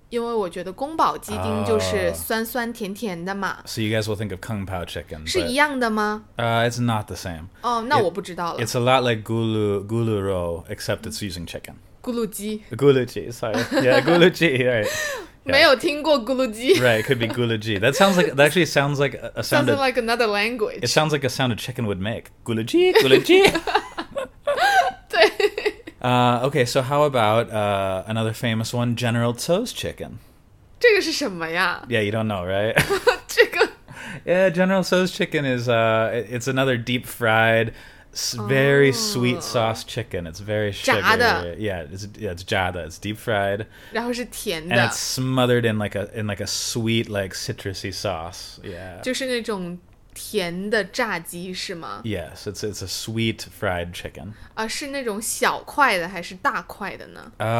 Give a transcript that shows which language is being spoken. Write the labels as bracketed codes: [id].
[zh] 因为我觉得宫保鸡丁就是酸酸甜甜的嘛。 [en] So you guys will think of Kung Pao chicken. [zh] 是一样的吗？ [en] It's not the same. [zh] 哦，那我不知道了。 [en] It's a lot like gulu roe, except it's using chicken. [zh] Gulu ji, [en] right. [zh] 没有听过 gulu ji. [en] Right, it could be gulu ji. That actually sounds like another language. It sounds like a sound a chicken would make. [zh] Gulu ji, gulu ji. 对。 [en] Okay, so how about another famous one, General Tso's chicken? [zh] 这个是什么呀? [en] Yeah, you don't know, right? [zh] 这个。 [en] Yeah, General Tso's chicken is, it's another deep fried... very sweet sauce chicken. It's very sugary. [zh] 炸的 [en] it's [zh] 炸的 [en] It's deep fried. [zh] 然后是甜的 [en] And it's smothered in like a sweet, like citrusy sauce. Yeah. [zh] 就是那种甜的炸鸡是吗 [en] Yes, it's a sweet fried chicken. [zh] 是那种小块的还是大块的呢